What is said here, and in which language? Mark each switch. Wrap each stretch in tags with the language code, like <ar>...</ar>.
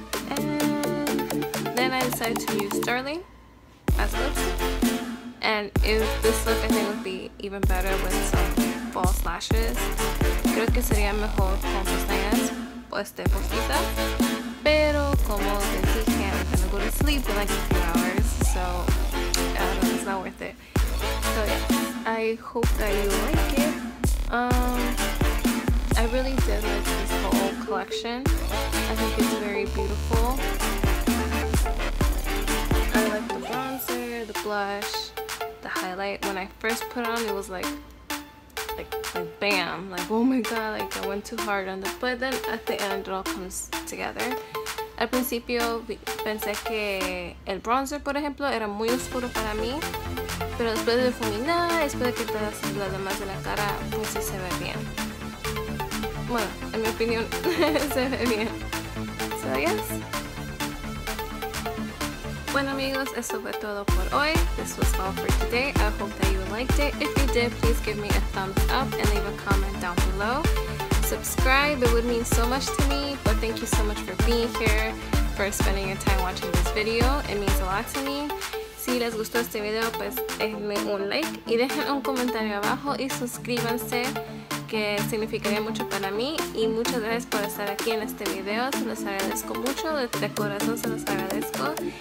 <en>And then I decided to use Darling as lips. And this look, I think, would be even better with some false lashes.</en> <es>Creo que sería mejor con pestañas o postiza. Pero como les dije,</es> <en>I'm gonna go to sleep in like a few hours, so it's not worth it. So yeah, I hope that you like it. I really did like this whole collection. I think it's very beautiful. I like the bronzer, the blush. The highlight, when I first put on it, was like bam, like oh my god, like I went too hard on the, but then at the end it all comes together.</en> <es>Al principio pensé que el bronzer, por ejemplo, era muy oscuro para mí. Pero después de difuminar, después de quitar la demás de la cara, pues sí se ve bien. Bueno, en mi opinión, se ve bien.</es> <en>So, yes.</en> <es>Bueno, amigos, eso fue todo por hoy.</es> <en>This was all for today. I hope that you liked it. If you did, please give me a thumbs up and leave a comment down below. Subscribe, it would mean so much to me. But thank you so much for being here, for spending your time watching this video. It means a lot to me.</en> <es>Si les gustó este video, pues déjenme un like y dejen un comentario abajo y suscríbanse, que significaría mucho para mí. Y muchas gracias por estar aquí en este video. Se los agradezco mucho, de corazón se los agradezco.</es>